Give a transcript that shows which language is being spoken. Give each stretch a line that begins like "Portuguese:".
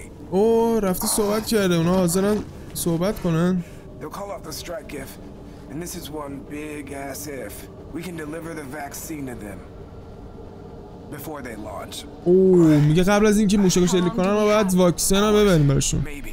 Persian: او رفته صحبت کرده، اونا حاضرن صحبت کنن.
English: They'll call off the strike if, and this is one big ass if. We can deliver the vaccine to them before they launch.
Persian: او میگه قبل از اینکه موشک شلیک کنن ما باید واکسن رو ببریم براشون.